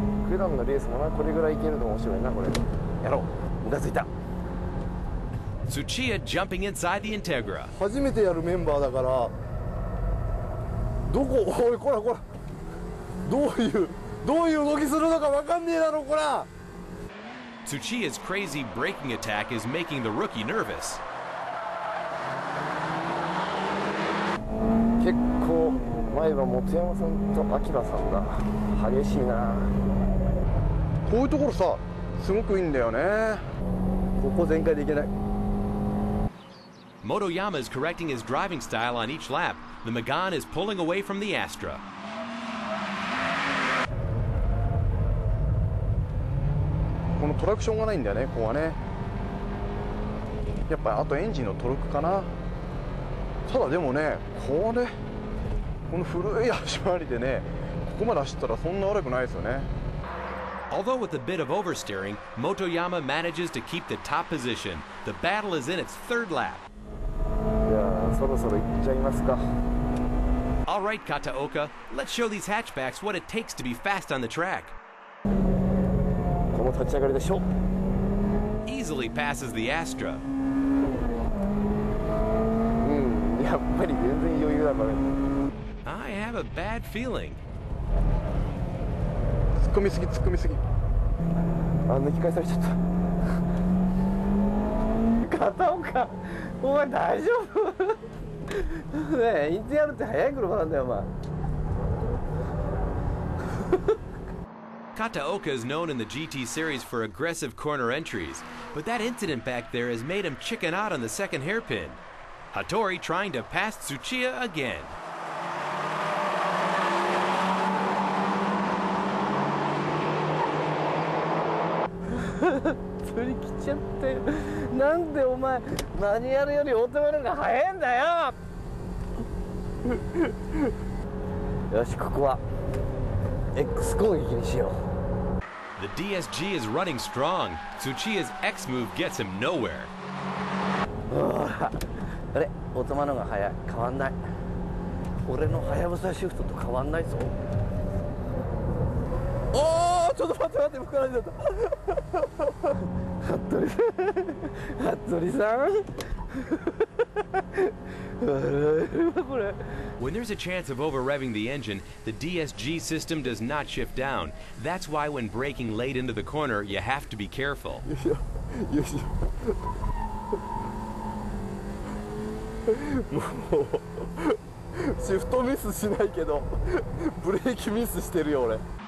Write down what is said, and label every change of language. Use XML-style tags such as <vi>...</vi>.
<ja>普段のレースもな、これぐらいいけると面白いな。これやろう。うなずいた。</ja> <en>Tsuchiya jumping inside the Integra。</en> <ja>初めてやるメンバーだから、どこ、おい、こらこら、どういう動きするのか分かんねえだろ、こら。</ja> <en>Tsuchiya's crazy braking attack is making the rookie nervous。</en> <ja>結構前は本山さんと明さんだ。激しいな。こういうところさ、すごくいいんだよね。ここ全開でいけない。</ja> <en>Motoyama is correcting his driving style on each lap. The Megane is pulling away from the Astra.</en> <ja>もトラクションがないんだよね、ここはね。やっぱあとエンジンのトルクかな。ただでもね、こうね、この古い足回りでね、ここまで走ったらそんな悪くないですよね。</ja> <en>Although with a bit of oversteering, Motoyama manages to keep the top position. The battle is in its third lap.</en> <ja>そろそろ行っちゃいますか。</ja> <en>All right, Kataoka, let's show these hatchbacks what it takes to be fast on the track.</en> <ja>この立ち上がりでしょ。</ja> <en>Easily passes the Astra.</en> <ja>やっぱり全然余裕だこれ。</ja> <en>I have a bad feeling.</en> <ja>突っ込みすぎ、突っ込みすぎ。あ、抜き返されちゃった。 Kataoka, お前大丈夫？ねえ、インティアルって速い車なんだよ、お前。</ja> <en>Kataoka is known in the GT series for aggressive corner entries, but that incident back there has made him chicken out on the second hairpin. Hattori trying to pass Tsuchiya again.</en> <ja>それ来ちゃって、なんでお前マニュアルよりオートマルが速いんだよ。よし、ここは X 攻撃にしよう。</ja> <en>The DSG is running strong. Tsuchiya's X move gets him nowhere.</en> <ja>あれ、オートマルが速い。変わんない。俺のハヤブサシフトと変わんないぞ。おお、ちょっと待って待って、膨らんじゃった。ハットリさん、ハットリさん。</ja> <en>When there's a chance of over-revving the engine, the DSG system does not shift down. That's why when braking late into the corner, you have to be careful. Shift miss</en> <ja>しないけど、ブレーキミスしてるよ俺。</ja>